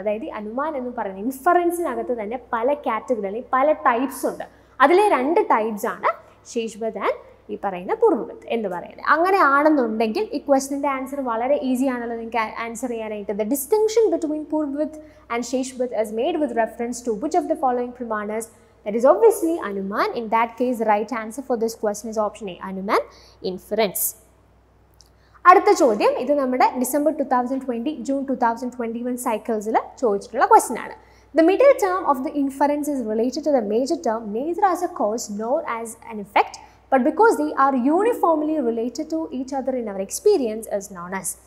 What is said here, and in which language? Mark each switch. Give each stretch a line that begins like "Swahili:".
Malayalam: അതായത് അനുമാൻ എന്ന് പറയുന്ന ഇൻഫറൻസിനകത്ത് തന്നെ പല കാറ്റഗറി അല്ലെങ്കിൽ പല ടൈപ്സ് ഉണ്ട്. അതിലെ രണ്ട് ടൈപ്സ് ആണ് ശേഷവത് ആൻഡ് ഈ പറയുന്ന പൂർവവത് എന്ന് പറയുന്നത്. അങ്ങനെ ആണെന്നുണ്ടെങ്കിൽ ഈ ക്വസ്റ്റിൻ്റെ ആൻസർ വളരെ ഈസി ആണല്ലോ നിങ്ങൾക്ക് ആൻസർ ചെയ്യാനായിട്ട്.
English: The distinction between Purvavat and Sheshavat is made with reference to which of the following pramanas? That is obviously Anuman. In that case, the right answer for this question is option A, Anuman inference.
Malayalam: അടുത്ത ചോദ്യം, ഇത് നമ്മുടെ December 2020 June 2021 സൈക്കിൾസിൽ ചോദിച്ചിട്ടുള്ള question ആണ്.
English: The middle term of the inference is related to the major term neither as a cause nor as an effect but because they are uniformly related to each other in our experience is known as.